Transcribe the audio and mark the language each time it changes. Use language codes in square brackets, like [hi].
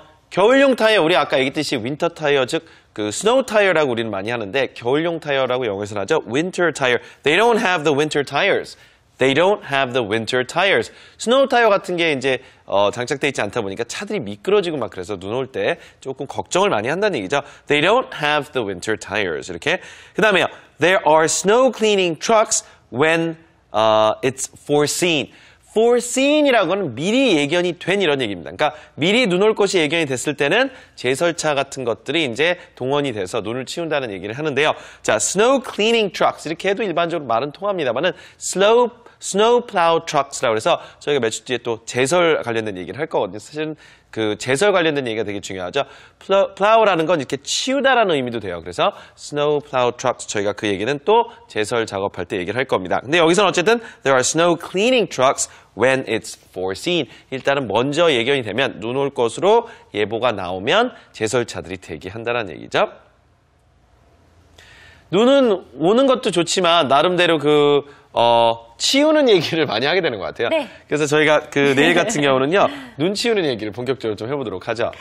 [ko] 겨울용 타이어, 우리 아까 얘기했듯이 윈터 타이어, 즉 그 스노우 타이어라고 우리는 많이 하는데 겨울용 타이어라고 영어에서 하죠. [en] Winter tire. They don't have the winter tires. They don't have the winter tires. [ko] 스노우 타이어 같은 게 이제 장착돼 있지 않다 보니까 차들이 미끄러지고 막 그래서 눈 올 때 조금 걱정을 많이 한다는 얘기죠. [en] They don't have the winter tires. [ko] 이렇게. 그 다음에요. [en] There are snow cleaning trucks when it's foreseen. [ko] Foreseen이라고는 미리 예견이 된 이런 얘기입니다. 그러니까 미리 눈 올 것이 예견이 됐을 때는 제설차 같은 것들이 이제 동원이 돼서 눈을 치운다는 얘기를 하는데요. 자, snow cleaning trucks 이렇게 해도 일반적으로 말은 통합니다만은 snow plow trucks라고 해서 저희가 며칠 뒤에 또 제설 관련된 얘기를 할 거거든요. 사실은 그 제설 관련된 얘기가 되게 중요하죠. plow라는 건 이렇게 치우다라는 의미도 돼요. 그래서 snow plow trucks 저희가 그 얘기는 또 제설 작업할 때 얘기를 할 겁니다. 근데 여기서는 어쨌든 [en] there are snow cleaning trucks when it's foreseen. [ko] 일단은 먼저 예견이 되면 눈 올 것으로 예보가 나오면 제설차들이 대기한다라는 얘기죠. 눈은 오는 것도 좋지만 나름대로 그 치우는 얘기를 많이 하게 되는 것 같아요. 네. 그래서 저희가 그 내일 같은 경우는요, 눈 치우는 얘기를 본격적으로 좀 해보도록 하죠.